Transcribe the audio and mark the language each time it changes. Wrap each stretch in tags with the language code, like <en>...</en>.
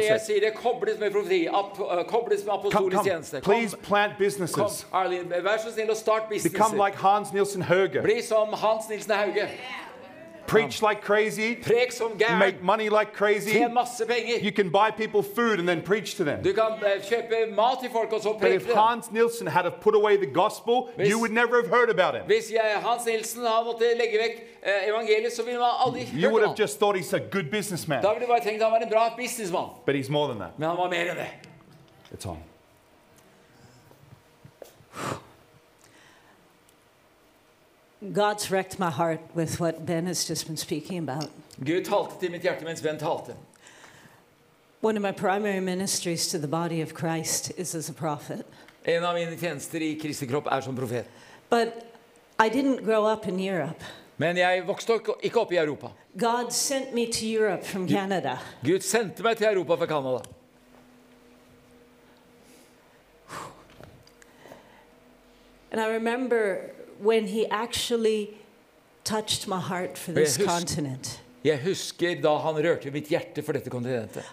<no>Det jeg sier, det kobles med profeti, kobles med apostolisk tjeneste.</no> <en>Please plant businesses.</en> <no>Kom, Arlene, vær så snill å starte businesses.</no> <en>Become like Hans Nielsen Hauge.</en> <no>Bli som Hans Nielsen Hauge.</no> <en>Preach like crazy.</en> <no>Prek som gær.</no> <en>Make money like crazy.</en> <no>Tjen masse penger.</no> <en>You can buy people food and then preach to them.</en> <no>Du kan kjøpe mat til folk og så preke.</no> <en>But if Hans Nielsen had have put away the gospel, you would never have heard about him.</en> <no>Hvis Hans Nielsen hadde måttet legge vekk evangeliet, så ville man aldri hørt om ham.</no> <en>You would have just thought he's a good businessman.</en> <no>Da ville du bare tenkt han var en bra businessman.</no> <en>But he's more than that.</en> <no>Men han var mer enn det.</no> <en>It's on. God's wrecked my heart with what Ben has just been speaking about.</en> <no>Gud talte til mitt hjerte mens Ben talte.</no> <en>One of my primary ministries to the body of Christ is as a prophet.</en> <no>En av mine tjenester I Kristi kropp som profet.</no> <en>But I didn't grow up in Europe.</en> <no>Men jeg vokste ikke opp I Europa.</no> <en>God sent me to Europe from Canada.</en> <no>Gud sendte meg til Europa fra Canada.</no> <en>And I remember when he actually touched my heart for this continent.</en> <no>Jeg husker da han rørte mitt hjerte for dette kontinentet.</no>